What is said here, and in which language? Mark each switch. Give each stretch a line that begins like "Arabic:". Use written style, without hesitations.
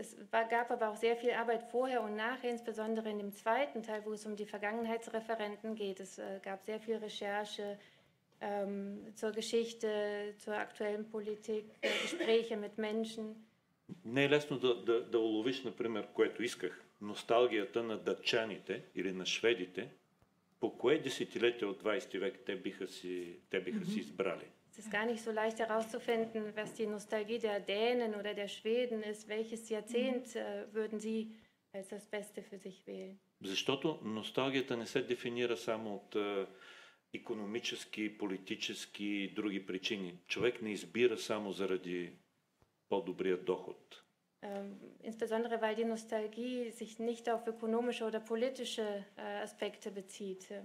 German: Gab aber auch sehr viel Arbeit vorher und nachher, insbesondere in dem zweiten Teil, wo es die Vergangenheitsreferenten geht. Es gab sehr viel Recherche zur Geschichte, zur aktuellen Politik, Gespräche mit Menschen.
Bulgarian: Не е лесно да уловиш, например, което исках, носталгията на датчаните или на шведите, по кое десетилетие от 20 век те биха си избрали.
German: Es ist gar nicht so leicht herauszufinden, was die Nostalgie der Dänen oder der Schweden ist. Welches Jahrzehnt würden sie als das Beste für sich wählen?
Bulgarian: Защото носталгията не се дефинира само от икономически, политически и други причини. Човек не избира само заради по-добрия доход.
German: Insbesondere weil die Nostalgie sich nicht auf ökonomische oder politische Aspekte bezieht.